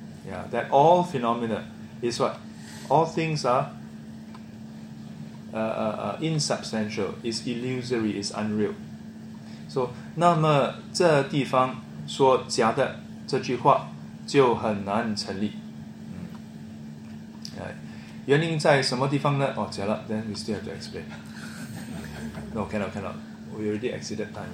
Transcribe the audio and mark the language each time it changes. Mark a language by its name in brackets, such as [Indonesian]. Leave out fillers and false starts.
[English] Yeah, that all phenomena is what? All things are insubstantial, is illusory, is unreal. So, [Chinese] 那么这地方说假的这句话就很难成立。原因在什么地方呢？哦，结了 [English] ，then we still have to explain. No, cannot, cannot. We already exceeded time.